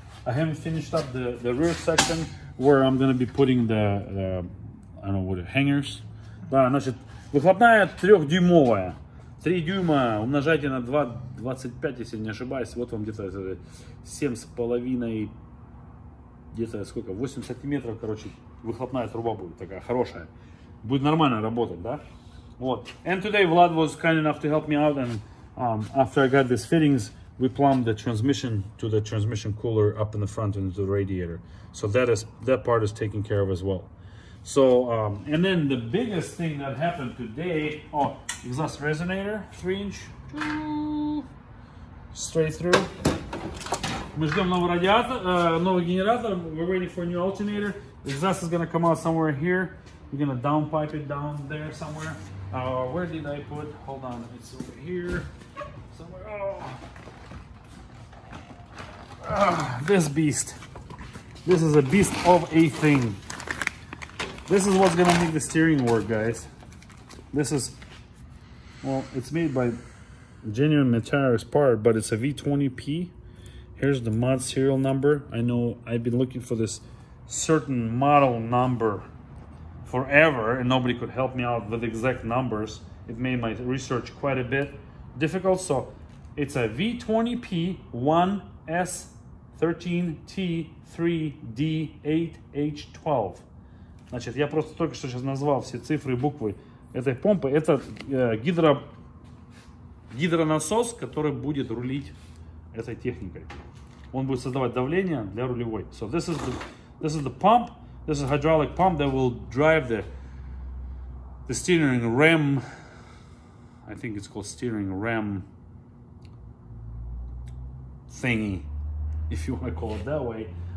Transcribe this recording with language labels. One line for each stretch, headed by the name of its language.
English: I haven't finished up the rear section where I'm gonna be putting the I don't know what, the hangers.
Russian: Да, значит, выхлопная 3-дюймовая, 3 дюйма умножайте на 2,25, если не ошибаюсь, вот вам где-то 7,5, где-то сколько, 8 сантиметров, короче, выхлопная труба будет такая хорошая. Будет нормально работать, да? Вот.
English: And today Vlad was kind enough to help me out, and after I got these fittings, we plumbed the transmission to the transmission cooler up in the front into the radiator. So that part is taken care of as well. So and then the biggest thing that happened today, exhaust resonator, 3-inch, straight through.
Russian: Мы ждем новый радиатор, новый генератор.
English: We're waiting for a new alternator. Exhaust is gonna come out somewhere here. We're gonna downpipe it down there somewhere. Where did I put? Hold on, it's over here. So This beast. This is a beast of a thing. This is what's gonna make the steering work, guys. This is, well, it's made by genuine Mataris part, but it's a V20P. Here's the mod serial number. I know I've been looking for this certain model number forever, and nobody could help me out with exact numbers. It made my research quite a bit difficult. So it's a V20P1S13T3D8H12.
Russian: Значит, я просто только что сейчас назвал все цифры и буквы этой помпы. Это гидронасос, который будет рулить этой техникой. Он будет создавать давление для рулевой.
English: So this is the pump. This is a hydraulic pump that will drive the steering ram. I think it's called steering ram thingy, if you want to call it that way.